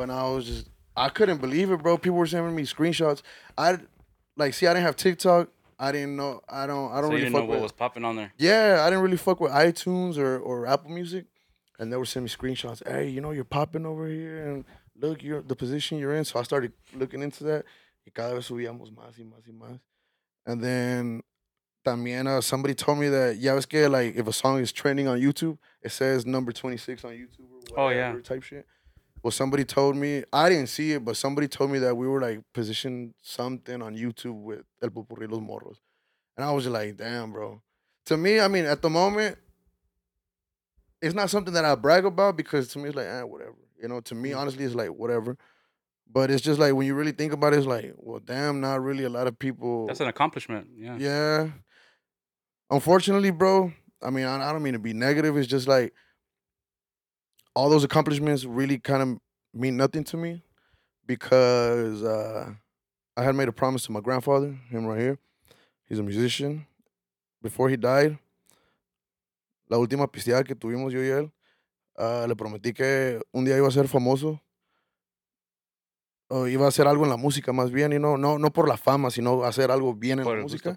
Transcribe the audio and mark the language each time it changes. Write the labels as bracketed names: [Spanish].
[English] And I was just, I couldn't believe it, bro. People were sending me screenshots. I didn't have TikTok. I didn't know. I didn't know what was popping on there. Yeah, I didn't really fuck with iTunes or Apple Music. And they were sending me screenshots. Hey, you know, you're popping over here. And look, you're the position you're in. So I started looking into that. [Spanish] Y cada vez subíamos más y más y más. [English] And then, también, somebody told me that, [Spanish] ya ves que, [English] like, if a song is trending on YouTube, it says number 26 on YouTube or whatever type shit. Well, somebody told me, I didn't see it, but somebody told me that we were, like, positioned something on YouTube with El Pupurri Los Morros. And I was like, damn, bro. To me, I mean, at the moment, it's not something that I brag about because to me, it's like, eh, whatever. You know, to me, honestly, it's like, whatever. But it's just like, when you really think about it, it's like, well, damn, not really a lot of people. That's an accomplishment. Yeah. Yeah. Unfortunately, bro, I mean, I don't mean to be negative. It's just like, all those accomplishments really kind of mean nothing to me because I had made a promise to my grandfather, him right here. He's a musician. [Spanish] Before he died, la última pisteada que tuvimos yo y él, le prometí que un día iba a ser famoso. Iba a hacer algo en la música más bien, [English] you know? [Spanish] No por la fama, sino hacer algo bien en la música.